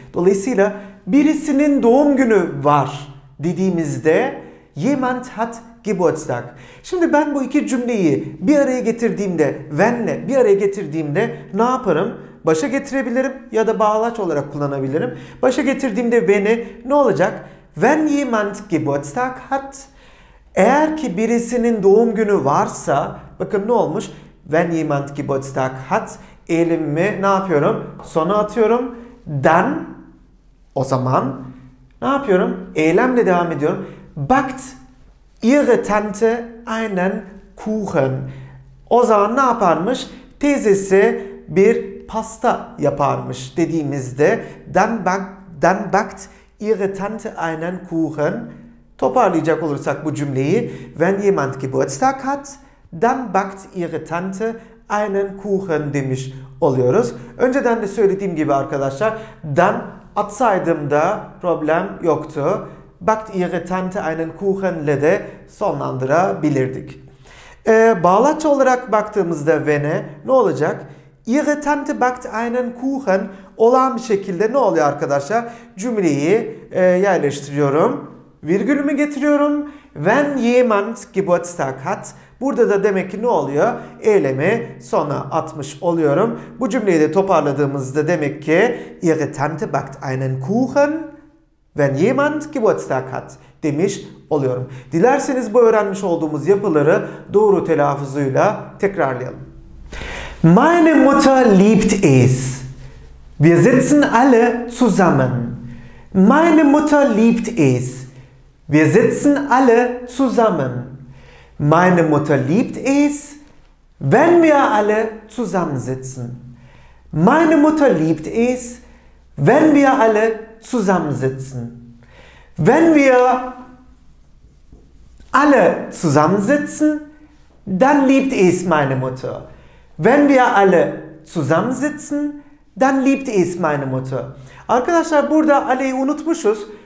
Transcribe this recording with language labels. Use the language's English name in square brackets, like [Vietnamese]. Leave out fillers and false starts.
[Turkish] Dolayısıyla birisinin doğum günü var dediğimizde [German] jemand hat Geburtstag. [Turkish] Şimdi ben bu iki cümleyi bir araya getirdiğimde, wenn'le bir araya getirdiğimde ne yaparım? Başa getirebilirim ya da bağlaç olarak kullanabilirim. Başa getirdiğimde wenn'i ne olacak? [German] Wenn jemand Geburtstag hat. [Turkish] Eğer ki birisinin doğum günü varsa, bakın ne olmuş? [German] Wenn jemand Geburtstag hat, [Turkish] eylemimi ne yapıyorum? Sona atıyorum. Dann, o zaman ne yapıyorum? Eylemle devam ediyorum. [German] Backt ihre Tante einen Kuchen. [Turkish] O zaman ne yaparmış? Teyzesi bir pasta yaparmış dediğimizde [German] dann backt ihre Tante einen Kuchen. [Turkish] Toparlayacak olursak bu cümleyi, [German] wenn jemand Geburtstag hat, dann backt ihre Tante einen Kuchen [Turkish] demiş oluyoruz. Önceden de söylediğim gibi arkadaşlar, dann atsaydım da problem yoktu. [German] Backt ihre Tante einen Kuchen [Turkish] ile de sonlandırabilirdik. Bağlaç olarak baktığımızda wenn'e ne olacak? [German] Ihre Tante backt einen Kuchen. [Turkish] Olağan bir şekilde ne oluyor arkadaşlar? Cümleyi yerleştiriyorum. Virgülümü getiriyorum. [German] Wenn jemand Geburtstag hat. [Turkish] Burada da demek ki ne oluyor? Eylemi sona atmış oluyorum. Bu cümleyi de toparladığımızda demek ki [German] ihre Tante backt einen Kuchen. Wenn jemand Geburtstag hat [Turkish] demiş oluyorum. Dilerseniz bu öğrenmiş olduğumuz yapıları doğru telaffuzuyla tekrarlayalım. [German] Meine Mutter liebt es. Wir sitzen alle zusammen. Meine Mutter liebt es. Wir sitzen alle zusammen. Meine Mutter liebt es, wenn wir alle zusammensitzen. Meine Mutter liebt es, wenn wir alle zusammensitzen. Wenn wir alle zusammensitzen, dann liebt es meine Mutter. Wenn wir alle zusammensitzen, dann liebt es meine Mutter. [Turkish] Arkadaşlar burada alle'yi unutmuşuz.